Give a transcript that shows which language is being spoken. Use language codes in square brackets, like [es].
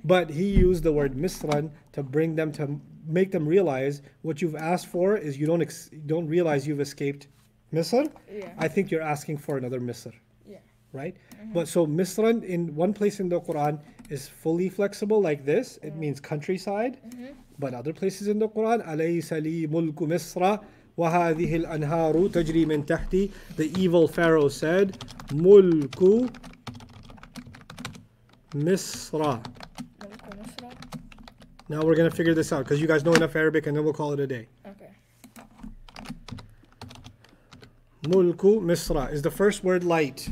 [en] But he used the word Misran to bring them, to make them realize what you've asked for is you don't realize you've escaped Misr, I think you're asking for another Misr, right? Mm-hmm. But so Misran in one place in the Quran is fully flexible like this. It means countryside. Mm-hmm. [ar] But other places in the Quran, أَلَيْسَ لِي مُلْكُ مِسْرَ وَهَذِهِ الْأَنْهَارُ تَجْرِي مِنْ تَحْتِي. [en] The evil Pharaoh said, [ar] مُلْكُ مِسْرَ. [en] Now we're going to figure this out because you guys know enough Arabic, and then we'll call it a day. Okay. Mulku Misra. Is the first word light?